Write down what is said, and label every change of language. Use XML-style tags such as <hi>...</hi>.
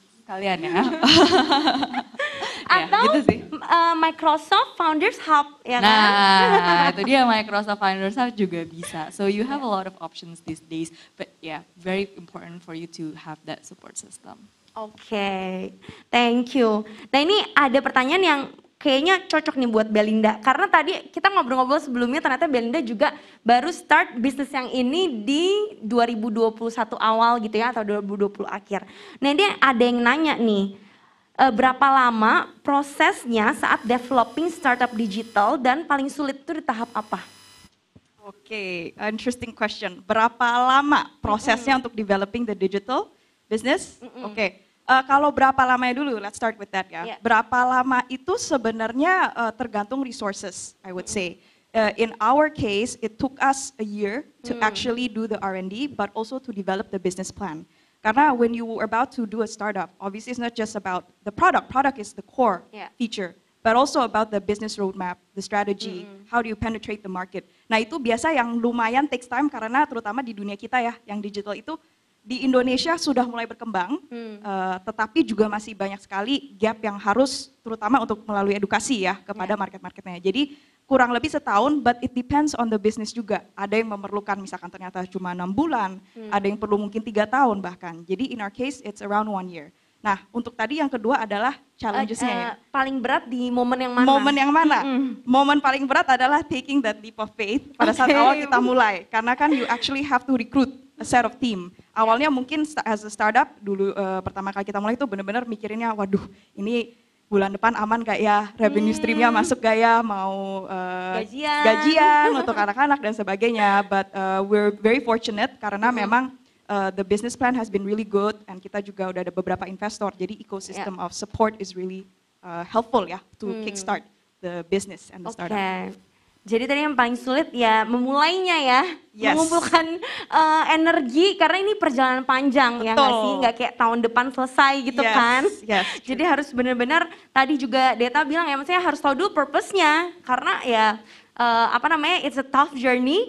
<id>Kalian ya. Atau gitu sih. Microsoft Founders Hub, ya kan? Nah, itu dia Microsoft Founders Hub juga bisa.</id> <en>So you have a lot of options these days, but yeah, very important for you to have that support system. Okay, thank you.</en> <id>Nah ini ada pertanyaan yang kayaknya cocok nih buat Belinda, karena tadi kita ngobrol-ngobrol sebelumnya ternyata Belinda juga baru start bisnis yang ini di 2021 awal gitu ya, atau 2020 akhir. Nah ini ada yang nanya nih, berapa lama prosesnya saat developing startup digital dan paling sulit itu di tahap apa?</id> <en>Oke, okay, interesting question.</en> <id>Berapa lama prosesnya untuk</id> <en>developing the digital business? Oke, okay.</en> <id>Kalau berapa lamanya dulu,</id> <en>let's start with that</en> <id>ya. Yeah. Berapa lama itu sebenarnya tergantung resources,</id> <en>I would say. In our case, it took us a year to actually do the R&D, but also to develop the business plan.</en> <id>Karena</id> <en>when you were about to do a startup, obviously it's not just about the product. Product is the core feature. But also about the business roadmap, the strategy, how do you penetrate the market.</en> <id>Nah itu biasa yang lumayan</id> <en>takes time</en> <id>karena terutama di dunia kita ya, yang digital itu di Indonesia sudah mulai berkembang, tetapi juga masih banyak sekali gap yang harus terutama untuk melalui edukasi ya kepada market-marketnya. Jadi kurang lebih setahun,</id> <en>but it depends on the business</en> <id>juga. Ada yang memerlukan misalkan ternyata cuma 6 bulan, ada yang perlu mungkin 3 tahun bahkan. Jadi</id> <en>in our case, it's around 1 year.</en> <id>Nah, untuk tadi yang kedua adalah challenges-nya ya. Paling berat di momen yang mana? Momen yang mana? Momen paling berat adalah</id> <en>taking that leap of faith</en> <id>pada saat awal kita mulai. Karena kan</id> <en>you actually have to recruit a set of team.</en> <id>Awalnya mungkin</id> <en>as a startup,</en> <id>dulu pertama kali kita mulai itu benar-benar mikirinnya, waduh ini bulan depan aman gak ya, revenue streamnya masuk gak ya, mau gajian untuk anak-anak dan sebagainya.</id> <en>But we're very fortunate karena memang the business plan has been really good and</en> <id>kita juga udah ada beberapa investor.</id> <en>Jadi ecosystem of support is really helpful ya to kickstart the business and the startup.</en> <id>Jadi tadi yang paling sulit ya memulainya ya, mengumpulkan energi karena ini perjalanan panjang ya gak sih, gak kayak tahun depan selesai gitu kan. Jadi harus benar-benar tadi juga Detha bilang ya, maksudnya harus tahu dulu purpose-nya karena ya</id> <en>it's a tough journey.</en>